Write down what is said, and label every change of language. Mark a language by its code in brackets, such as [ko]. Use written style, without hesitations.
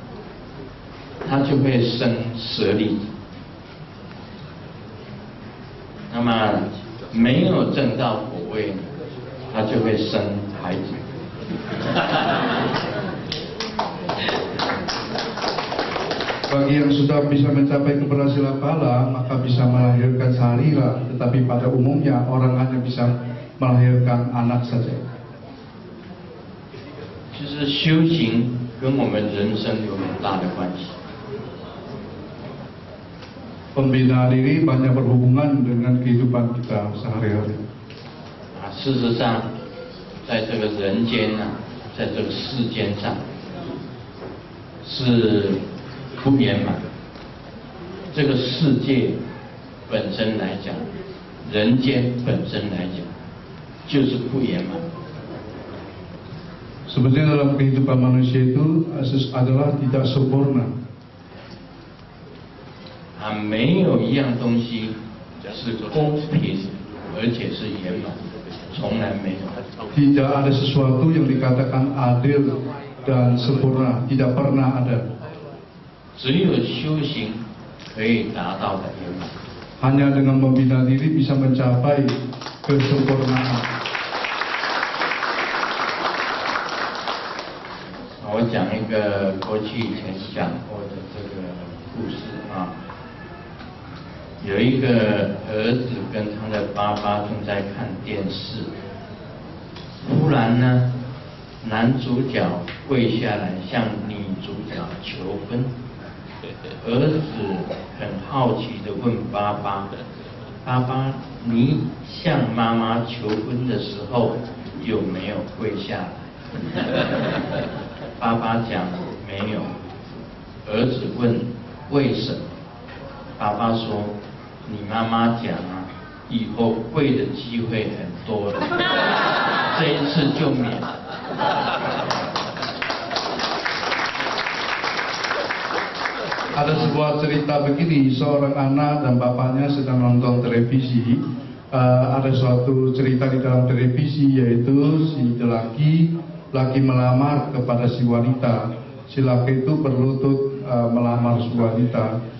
[zh] Ini正到了果位，它就会生舍利。那么没有证到果位，他就会生孩子。 [id] Bagi yang sudah bisa mencapai keberhasilan pahala, maka bisa melahirkan sarira. Tetapi pada umumnya orang hanya bisa melahirkan anak saja. [zh] 其实修行跟我们人生有很大的关系。 [id] Pembina diri banyak berhubungan dengan kehidupan kita sehari-hari. [zh] 事实上在这个人间啊，在这个世间上是不圆满。这个世界本身来讲，人间本身来讲就是不圆满。 [id] Sebenarnya dalam kehidupan manusia itu adalah tidak sempurna。 [zh] 没有一样东西是公平而且是圆满，从来没有。 [id] Tidak ada sesuatu yang dikatakan adil dan sempurna, tidak pernah ada. [zh] 只有修行可以达到的圆满。 [id] Hanya dengan membina diri bisa mencapai kesempurnaan. [zh] 我讲一个过去以前讲过的这个故事啊。有一个儿子跟他的爸爸正在看电视，忽然呢，男主角跪下来向女主角求婚。儿子很好奇地问爸爸：“爸爸，你向妈妈求婚的时候有没有跪下来？” 爸爸讲：“没有。” 儿子问：“为什么？” 爸爸说：你妈妈讲啊，以后跪的机会很多的，这一次就免了。 [id] Ada sebuah cerita begini, seorang anak dan bapaknya sedang menonton televisi. Ada suatu cerita di dalam televisi, yaitu si laki melamar kepada si wanita. Si laki itu berlutut melamar si wanita.